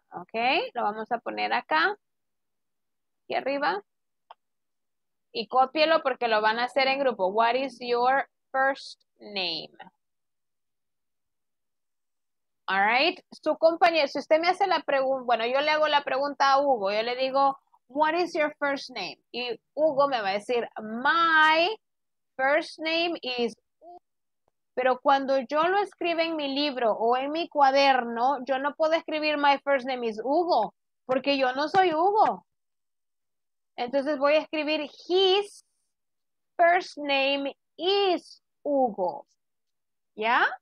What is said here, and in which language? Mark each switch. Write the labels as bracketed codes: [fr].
[es] Ok, lo vamos a poner acá. Aquí arriba. Y cópielo porque lo van a hacer en grupo. [en] What is your first name? [es] All right. Su compañero, si usted me hace la pregunta, bueno, yo le hago la pregunta a Hugo. Yo le digo, [en] what is your first name? [es] Y Hugo me va a decir, [en] my first name is [es] Pero cuando yo lo escribo en mi libro o en mi cuaderno, yo no puedo escribir [en] my first name is Hugo, [es] porque yo no soy Hugo. Entonces voy a escribir [en] his first name is Hugo. [es] ¿Ya?